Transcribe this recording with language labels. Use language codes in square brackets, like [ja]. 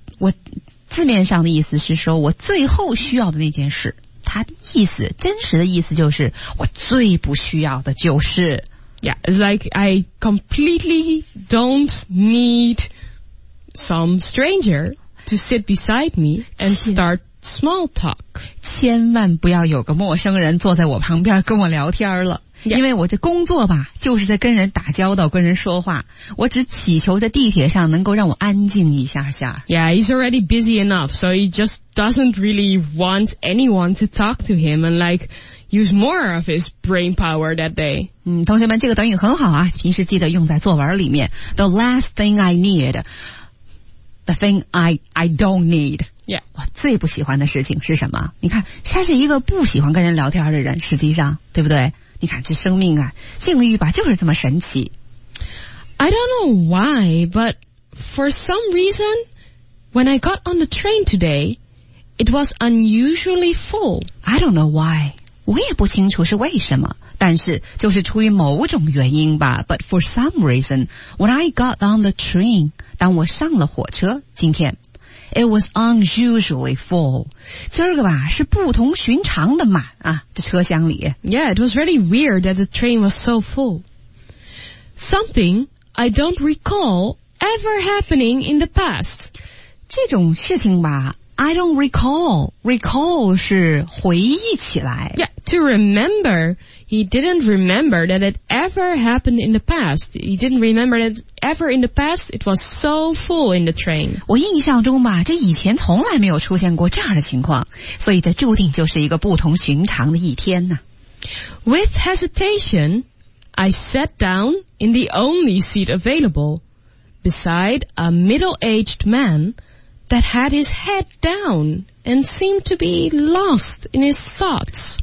[zh] 我字面上的意思是说我最后需要的那件事，它的意思，真实的意思就是我最不需要的就是 [en] Yeah, like I completely don't need some stranger to sit beside me and start small talk. [zh] 千万不要有个陌生人坐在我旁边跟我聊天了、 [en] yeah. [zh] 因为我这工作吧就是在跟人打交道跟人说话，我只祈求着地铁上能够让我安静一下下。 [en] Yeah, he's already busy enough, so he just doesn't really want anyone to talk to him and like use more of his brain power that day. [zh] 同学们这个短语很好啊，平时记得用在作文里面。 [en] The last thing I need, the thing I don't need. Yeah. [zh] 我最不喜欢的事情是什么？你看，他是一个不喜欢跟人聊天的人，实际上，对不对？你看，这生命啊，境遇吧，就是这么神奇。 [en] I don't know why, but for some reason, when I got on the train today, it was unusually full. I don't know why. [zh] 我也不清楚是为什么，但是就是出于某种原因吧。 [en] But for some reason, when I got on the train, [zh] 当我上了火车，今天 [en] It was unusually full. [zh] 今儿个吧是不同寻常的满啊，这车厢里。 [en] Yeah, it was really weird that the train was so full. Something I don't recall ever happening in the past. [zh] 这种事情吧 [en] I don't recall. [zh] Recall 是回忆起来。 [en] Yeah, to remember. He didn't remember that it ever happened in the past. He didn't remember that ever in the past it was so full in the train. [zh] 我印象中吧，这以前从来没有出现过这样的情况，所以这注定就是一个不同寻常的一天呢。 [en] With hesitation, I sat down in the only seat available beside a middle-aged man that had his head down. And seemed to be lost in his thoughts.